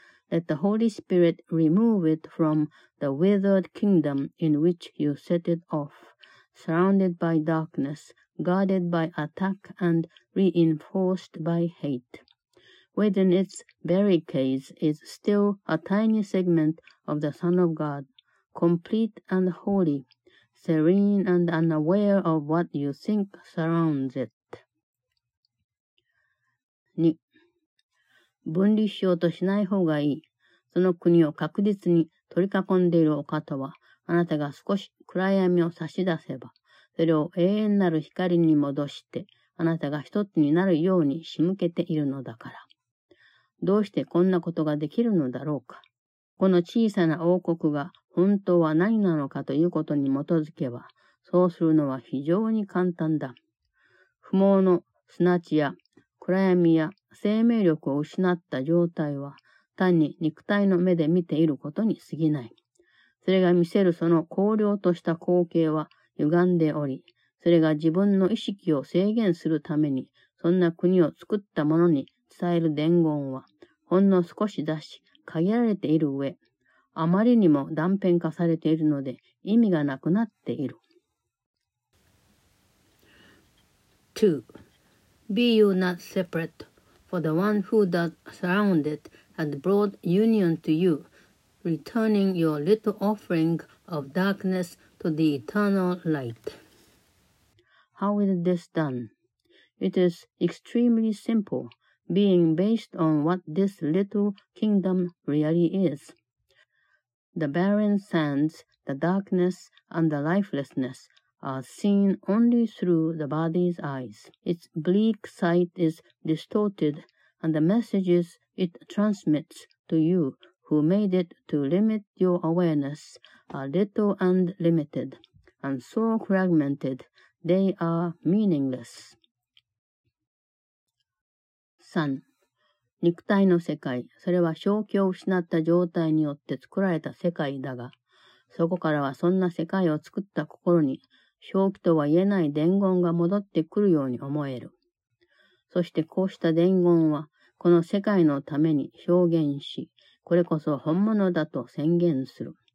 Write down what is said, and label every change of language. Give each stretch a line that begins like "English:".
English: Let the Holy Spirit remove it from the withered kingdom in which you set it off, surrounded by darkness, guarded by attack and reinforced by hate. Within its barricades is still a tiny segment of the Son of God, complete and holy, serene and unaware of what you think surrounds it. 2.
Japanese: 分離しようとしない方がいい。その国を確実に取り囲んでいるお方は、あなたが少し暗闇を差し出せば、それを永遠なる光に戻して、あなたが一つになるように仕向けているのだから。どうしてこんなことができるのだろうか。この小さな王国が本当は何なのかということに基づけば、そうするのは非常に簡単だ。不毛の砂地や、暗闇や生命力を失った状態は単に肉体の目で見ていることに過ぎない。それが見せるその荒涼とした光景は歪んでおり、それが自分の意識を制限するためにそんな国を作った者に伝える伝言はほんの少しだし限られている上、あまりにも断片化されているので意味がなくなっている。 2.
English: Be you not separate, for the one who doth surround it had brought union to you, returning your little offering of darkness to the eternal light. How is this done? It is extremely simple, being based on what this little kingdom really is. The barren sands, the darkness, and the lifelessness. Are seen only through the body's eyes. Its bleak sight is distorted, and the messages it transmits to you who made it to limit your awareness are little and limited, and so fragmented they are meaningless. 3.
Japanese: 肉体の世界、それは正気を失った状態によって作られた世界だが、そこからはそんな世界を作った心に正気とは言えない伝言が戻ってくるように思える。そしてこうした伝言はこの世界のために表現し、これこそ本物だと宣言する。